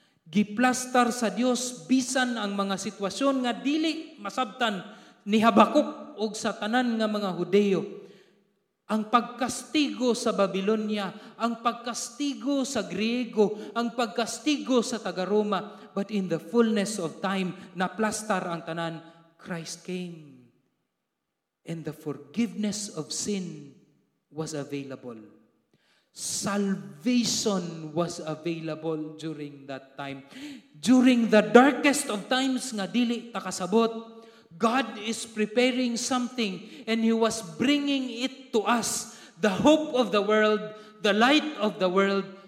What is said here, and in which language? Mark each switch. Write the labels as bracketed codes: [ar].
[ceb] Giplastar sa Dios bisan ang mga sitwasyon nga dili masabtan ni Habakuk og sa tanan nga mga Hudeyo. Ang pagkastigo sa Babylonia, ang pagkastigo sa Griego, ang pagkastigo sa taga-Roma, [en] but in the fullness of time, [ceb] naplastar ang tanan, [en] Christ came. And the forgiveness of sin was available. Salvation was available during that time. During the darkest of times [ceb] nga dili takasabot, [en] God is preparing something and He was bringing it to us. The hope of the world, the light of the world,